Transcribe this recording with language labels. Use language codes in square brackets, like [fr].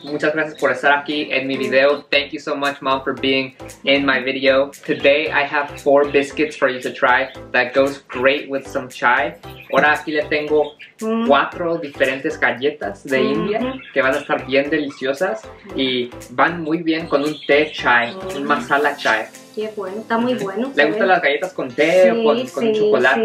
[es] Muchas gracias por estar aquí en mi video. [en] Thank you so much, mom, for being in my video. Today, I have 4 biscuits for you to try that goes great with some chai. [es] Ahora aquí le tengo 4 diferentes galletas de India que van a estar bien deliciosas y van muy bien con un té chai, un masala chai. Qué bueno, está muy bueno. ¿Le gustan las galletas con té, sí, o con sí, chocolate,